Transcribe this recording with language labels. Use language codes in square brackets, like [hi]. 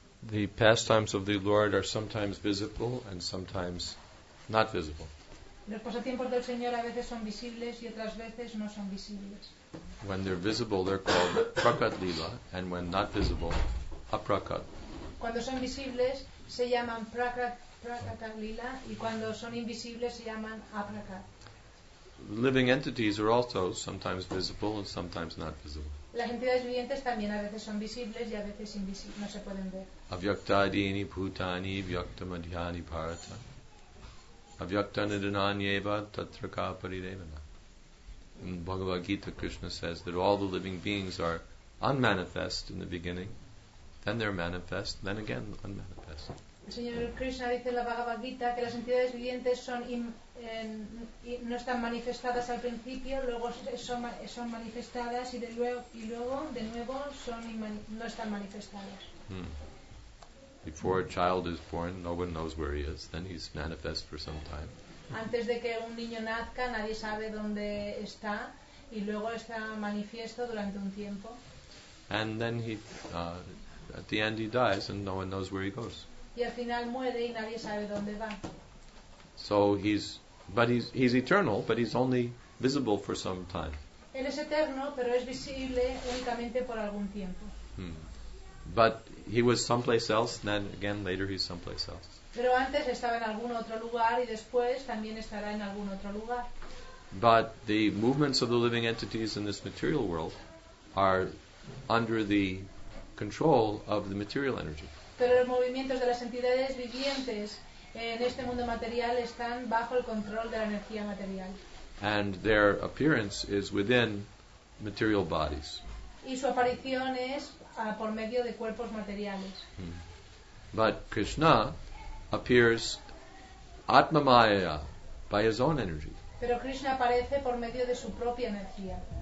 [en] The pastimes of the Lord are sometimes visible and sometimes not visible. [es] Los pasatiempos del Señor a veces son visibles y otras veces no son visibles. [en] When they're visible, they're called prakat lila, and when not visible, aprakat [es] cuando son visibles se llaman prakata lila y cuando son invisibles se llaman aprakat. [en] Living entities are also sometimes visible and sometimes not visible. [es] Las entidades vivientes también a veces son visibles y a veces invisibles, no se pueden ver. [sa] Avyaktadini bhutani vyaktamadhyani bharata. Avyaktanidananyeva tatraka paridevana. [en] In Bhagavad Gita, Krishna says that all the living beings are unmanifest in the beginning, then they're manifest, then again unmanifest. [es] El Señor Krishna dice en la Bhagavad Gita que las entidades vivientes son no están manifestadas al principio, luego son manifestadas y de nuevo son no están manifestadas. [en] Before a child is born, no one knows where he is. Then he's manifest for some time. [es] Antes de que un niño nazca, nadie sabe dónde está y luego está manifiesto durante un tiempo. [en] And then at the end he dies and no one knows where he goes. [es] Y al final muere y nadie sabe dónde va. [en] So he's eternal, but he's only visible for some time. [es] Él es eterno, pero es visible únicamente por algún tiempo. [en] But he was someplace else, and then again later he's someplace else. [es] Pero antes estaba en algún otro lugar y después también estará en algún otro lugar. [en] But the movements of the living entities in this material world are under the control of the material energy. [es] Pero los movimientos de las entidades vivientes en este mundo material están bajo el control de la energía material. [en] And their appearance is within material bodies. [es] Y su aparición es por medio de cuerpos materiales. [en] But Krishna appears atmamaya by his own energy. [es] Pero Krishna aparece por medio de su propia energía.